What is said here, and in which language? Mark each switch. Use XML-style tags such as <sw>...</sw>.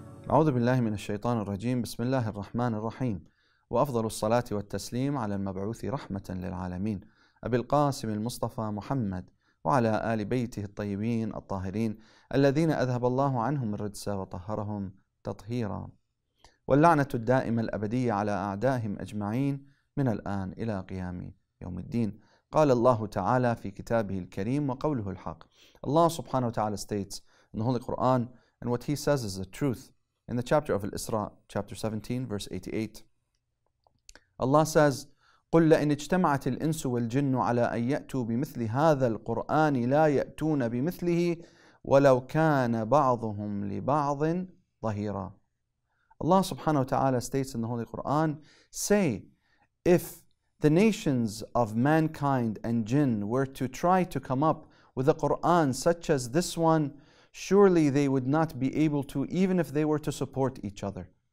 <ar>أعوذ بالله من الشيطان الرجيم. بسم الله الرحمن الرحيم، وأفضل الصلاة والتسليم على المبعوث رحمة للعالمين أبي القاسم المصطفى محمد وعلى آل بيته الطيبين الطاهرين الذين أذهب الله عنهم الرجس وطهرهم تطهيرا، واللعنة الدائمة الأبدية على أعدائهم أجمعين من الآن إلى قيام يوم الدين. قال الله تعالى في كتابه الكريم وقوله الحق.</ar> <en>الله سبحانه وتعالى states in the Holy Quran, and what he says is the truth. In the chapter of Al-Isra, chapter 17, verse 88, Allah says,</en> <ar>قُلْ لَإِنِ اجْتَمَعَتِ الْإِنْسُ وَالْجِنُّ عَلَىٰ أَنْ يَأْتُوا بِمِثْلِ هَذَا الْقُرْآنِ لَا يَأْتُونَ بِمِثْلِهِ وَلَوْ كَانَ بَعْضُهُمْ لِبَعْضٍ ظَهِيرًا.</ar> <en>Allah subhanahu wa ta'ala states in the Holy Quran, say, if the nations of mankind and jinn were to try to come up with a Quran such as this one, surely they would not be able to, even if they were to support each other.</en>